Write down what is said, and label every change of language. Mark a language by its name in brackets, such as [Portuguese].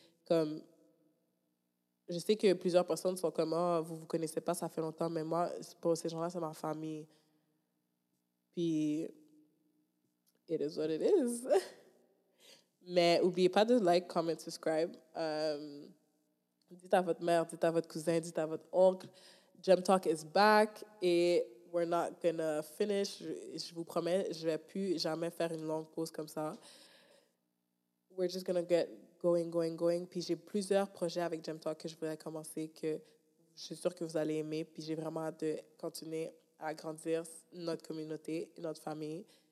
[French] Comme, je sais que plusieurs personnes sont comme, oh, vous ne vous connaissez pas, ça fait longtemps, mais moi, pour ces gens-là, c'est ma famille. Puis, [English] it is what it is. [French] Mais n'oubliez pas de [English] like, comment, subscribe. [French] Dites à votre mère, dites à votre cousin, dites à votre oncle. [English] Gem Talk is back et we're not gonna finish. [French] Je vous promets, je vais plus jamais faire une longue pause comme ça. [English] We're just gonna get going, going, going. [French] Puis j'ai plusieurs projets avec Gem Talk que je voudrais commencer que je suis sûre que vous allez aimer. Puis j'ai vraiment hâte de continuer à grandir notre communauté, notre famille.